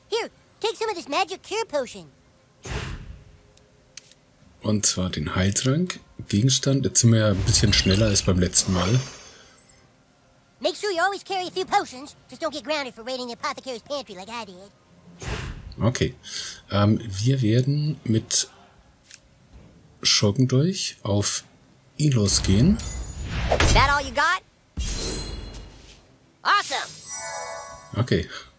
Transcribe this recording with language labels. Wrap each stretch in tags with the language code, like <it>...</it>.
<en>Here, take some of this magic cure potion.</en> <de>Und zwar den Heiltrank. Gegenstand. Jetzt sind wir ja ein bisschen schneller als beim letzten Mal.</de> <en>Make sure you always carry a few potions. Just don't get grounded for raiding the apothecary's pantry like I did. Okay.</en> <de>Wir werden mit Schurkendolch auf Ilos gehen.</de> <en>Is that all you got? Awesome! Okay.</en>